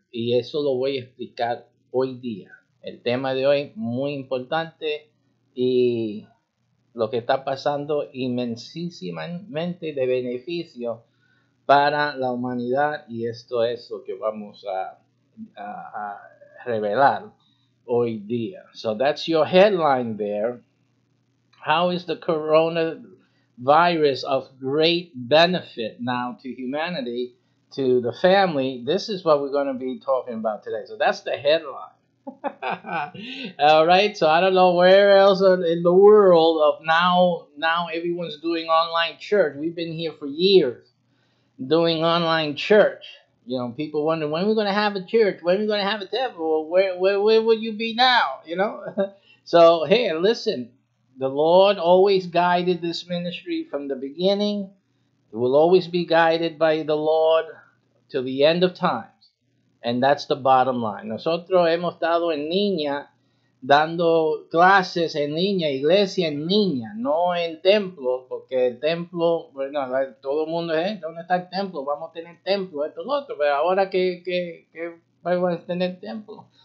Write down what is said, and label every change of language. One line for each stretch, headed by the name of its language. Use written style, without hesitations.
Spanish: Y eso lo voy a explicar hoy día. El tema de hoy muy importante y lo que está pasando inmensísimamente de beneficio para la humanidad. Y esto es lo que vamos a revelar hoy día.
English: So that's your headline there. How is the coronavirus of great benefit now to humanity, to the family? This is what we're going to be talking about today. So that's the headline. All right. So I don't know where else in the world of now everyone's doing online church. We've been here for years doing online church. You know, people wonder, when are we going to have a church? When are we going to have a temple? Where will you be now? You know? So, hey, listen, the Lord always guided this ministry from the beginning. It will always be guided by the Lord to the end of times. And that's the bottom line.
Spanish: Nosotros hemos estado en línea, dando clases en línea, iglesia en línea, no en templo, porque el templo, bueno, todo el mundo, ¿dónde está el templo? Vamos a tener templo, esto y lo otro, pero ahora que vamos a tener templo.